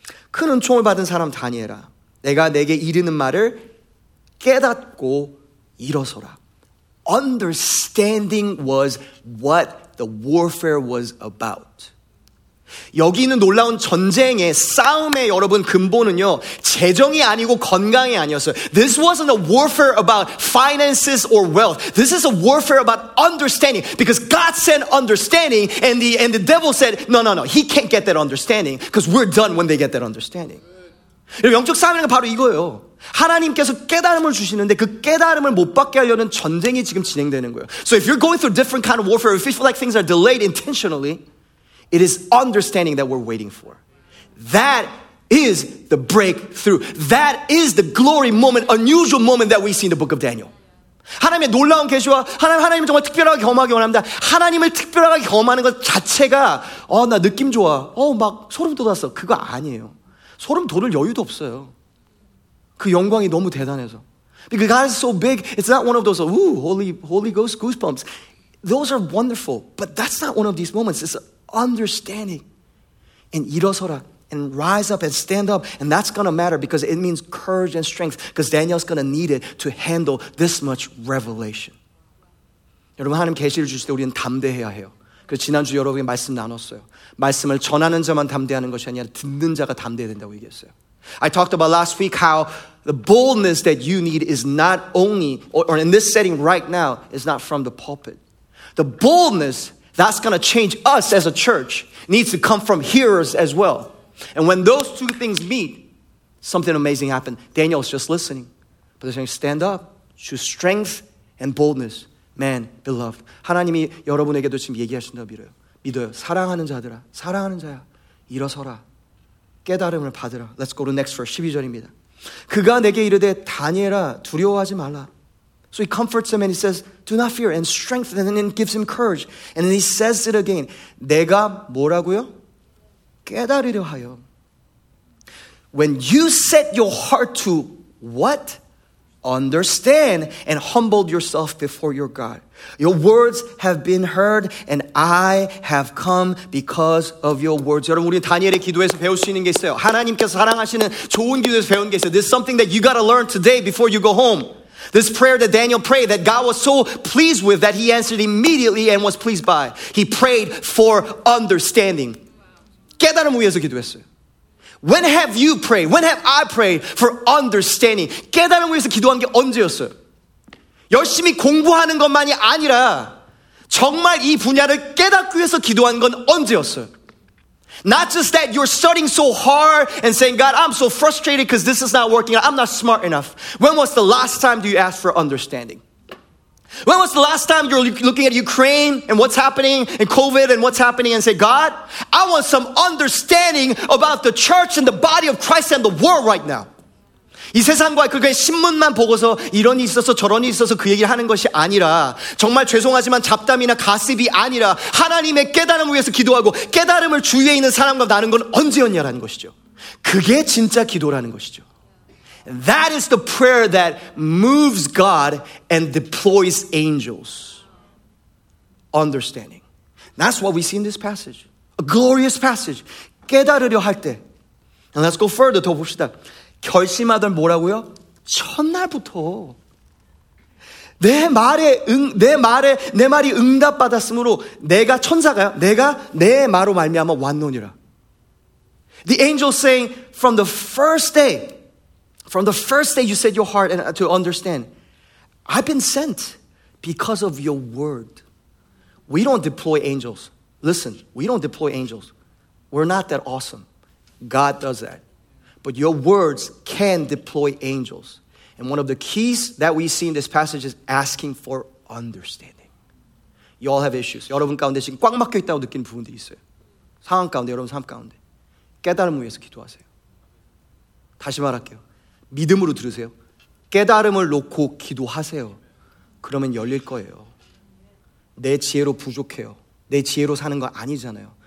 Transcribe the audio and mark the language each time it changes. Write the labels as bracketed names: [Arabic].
[Korean] 큰 은총을 받은 사람 다니엘아. 내가 내게 이르는 말을 깨닫고 일어서라. [English] Understanding was what the warfare was about. [Korean] 여기 있는 놀라운 전쟁의 싸움의 여러분 근본은요 재정이 아니고 건강이 아니었어요. [English] This wasn't a warfare about finances or wealth. This is a warfare about understanding. Because God sent understanding and the devil said, no, no, no, he can't get that understanding because we're done when they get that understanding. [Korean] 영적 싸움이란 게 바로 이거예요. 하나님께서 깨달음을 주시는데 그 깨달음을 못 받게 하려는 전쟁이 지금 진행되는 거예요. [English] So if you're going through different kind of warfare, if you feel like things are delayed intentionally, it is understanding that we're waiting for. That is the breakthrough. That is the glory moment, unusual moment that we see in the book of Daniel. [Korean] 하나님의 놀라운 계시와 하나님을 정말 특별하게 경험하기 원합니다. 하나님을 특별하게 경험하는 것 자체가 나 느낌 좋아. 막 소름 돋았어. 그거 아니에요. 소름 돋을 여유도 없어요. 그 영광이 너무 대단해서. [English] Because God is so big, it's not one of those, holy ghost goosebumps. Those are wonderful, but that's not one of these moments. It's understanding. And [Korean] 일어서라, [English] and rise up and stand up. And that's going to matter because it means courage and strength because Daniel's going to need it to handle this much revelation. [Korean] 여러분, 하나님 계시를 주실 때 우리는 담대해야 해요. 그 지난주 여러분이 말씀 나눴어요. 말씀을 전하는 자만 담대하는 것이 아니라 듣는 자가 담대해야 된다고 얘기했어요. [English] I talked about last week how the boldness that you need is not only, or in this setting right now, is not from the pulpit. The boldness that's going to change us as a church needs to come from hearers as well. And when those two things meet, something amazing happened. Daniel's just listening. But they're saying, stand up, choose strength and boldness. Man, beloved. [Korean] 하나님이 여러분에게도 지금 얘기하신다고 믿어요. 믿어요. 사랑하는 자들아, 사랑하는 자야, 일어서라. 깨달음을 받으라. [English] Let's go to next verse, [Korean] 12절입니다. 그가 내게 이르되 다니엘아 두려워하지 말라. [English] So he comforts him and he says, do not fear and strengthen and then gives him courage. And then he says it again. [Korean] 내가 뭐라고요? 깨달으려 하여. [English] When you set your heart to what? Understand and humbled yourself before your God. Your words have been heard and I have come because of your words. [Korean] 여러분, 우리 다니엘의 기도에서 배울 수 있는 게 있어요. 하나님께서 사랑하시는 좋은 기도에서 배운 게 있어요. [English] This is something that you got to learn today before you go home. This prayer that Daniel prayed that God was so pleased with that he answered immediately and was pleased by. He prayed for understanding. [Korean] 깨달음 위해서 기도했어요. [English] When have you prayed? When have I prayed for understanding? [Korean] 깨달음 위해서 기도한 게 언제였어요? 열심히 공부하는 것만이 아니라 정말 이 분야를 깨닫기 위해서 기도한 건 언제였어요? [English] Not just that you're studying so hard and saying, God, I'm so frustrated because this is not working. I'm not smart enough. When was the last time do you ask for understanding? When was the last time you're looking at Ukraine and what's happening and COVID and what's happening and say, God, I want some understanding about the church and the body of Christ and the world right now. [Korean] 이 세상과 그게 신문만 보고서 이런 일이 있어서 저런 일이 있어서 그 얘기를 하는 것이 아니라 정말 죄송하지만 잡담이나 가십이 아니라 하나님의 깨달음을 위해서 기도하고 깨달음을 주위에 있는 사람과 나는 건 언제였냐라는 것이죠. 그게 진짜 기도라는 것이죠. [English] That is the prayer that moves God and deploys angels. Understanding. That's what we see in this passage. A glorious passage. [Korean] 깨달으려 할 때. [English] And let's go further, [Korean] 더 봅시다. 결심하던 뭐라고요? 첫날부터. 내 말이 응답받았으므로 내가 천사가요? 내가 내 말로 말미암아 왔노니라. [English] The angel saying, from the first day, from the first day you set your heart and to understand, I've been sent because of your word. We don't deploy angels. Listen, we don't deploy angels. We're not that awesome. God does that. But your words can deploy angels. And one of the keys that we see in this passage is asking for understanding. You all have issues. [Korean] 여러분 가운데 지금 꽉 막혀 있다고 느끼는 부분들이 있어요. 상황 가운데, 여러분 삶 가운데 깨달음을 위해서 기도하세요. 다시 말할게요. 믿음으로 들으세요. 깨달음을 놓고 기도하세요. 그러면 열릴 거예요. 내 지혜로 부족해요. 내 지혜로 사는 거 아니잖아요.